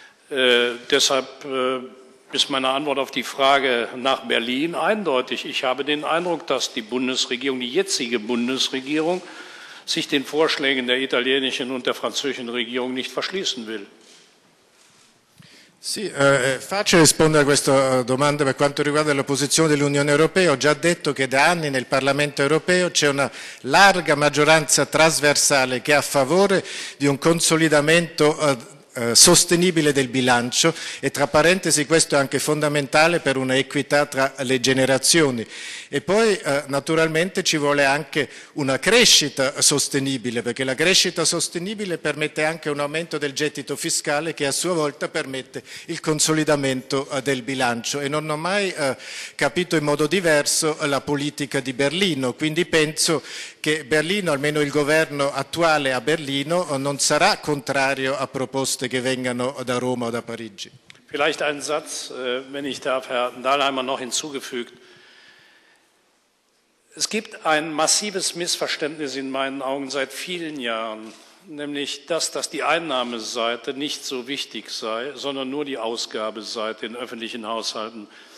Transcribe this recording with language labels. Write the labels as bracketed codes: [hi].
[de] Deshalb ist meine Antwort auf die Frage nach Berlin eindeutig. Ich habe den Eindruck, dass die Bundesregierung, die jetzige Bundesregierung, sich den Vorschlägen der italienischen und der französischen Regierung nicht verschließen will. [it] Sì, faccio rispondere a questa domanda per quanto riguarda la posizione dell'Unione Europea. Ho già detto che da anni nel Parlamento Europeo c'è una larga maggioranza trasversale che è a favore di un consolidamento sostenibile del bilancio, e tra parentesi questo è anche fondamentale per una equità tra le generazioni. E poi naturalmente ci vuole anche una crescita sostenibile, perché la crescita sostenibile permette anche un aumento del gettito fiscale che a sua volta permette il consolidamento del bilancio. E non ho mai capito in modo diverso la politica di Berlino, quindi penso che Berlino, almeno il governo attuale a Berlino, non sarà contrario a proposte che vengano da Roma o da Parigi. [de] Vielleicht ein Satz, wenn ich darf, Herr Dahlheimer, noch hinzugefügt. Es gibt ein massives Missverständnis in meinen Augen seit vielen Jahren, nämlich das, dass die Einnahmeseite nicht so wichtig sei, sondern nur die Ausgabeseite in öffentlichen Haushalten.